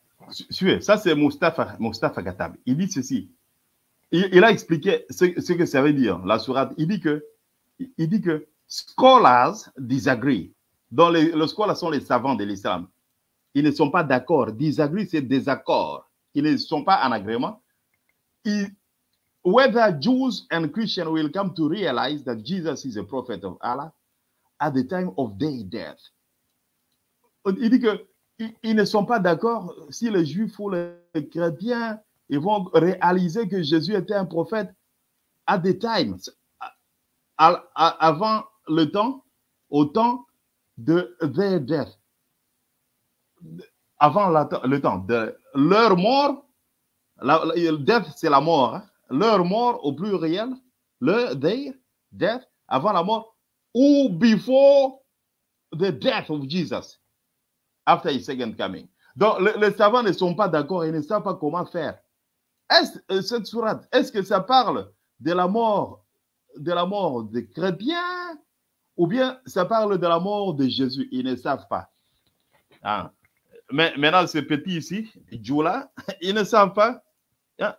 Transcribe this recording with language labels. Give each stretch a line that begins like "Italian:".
French: Suivez, ça c'est Mustapha Gattab. Il dit ceci. Il a expliqué ce que ça veut dire, la sourate. Il dit que
English: scholars disagree.
French: Donc, les scholars sont les savants de l'islam. Ils ne sont pas d'accord. Disagree, c'est désaccord. Ils ne sont pas en agrément.
English: Whether Jews and Christians will come to realize that Jesus is a prophet of Allah at the time of their death.
French: Il dit qu'ils ne sont pas d'accord si les Juifs ou les chrétiens ils vont réaliser que Jésus était un prophète
English: at the time,
French: avant le temps, au temps de
English: their death.
French: Avant le temps de leur mort, la death, c'est la mort. Hein? Leur mort au pluriel,
English: their death,
French: avant la mort, ou
English: before the death of Jesus, after his second coming.
French: Donc, les savants ne sont pas d'accord, ils ne savent pas comment faire. Cette sourate, est-ce que ça parle de la mort des chrétiens ou bien ça parle de la mort de Jésus? Ils ne savent pas. Hein? Mais maintenant, ce petit ici, Djoula, ils ne savent pas. Hein?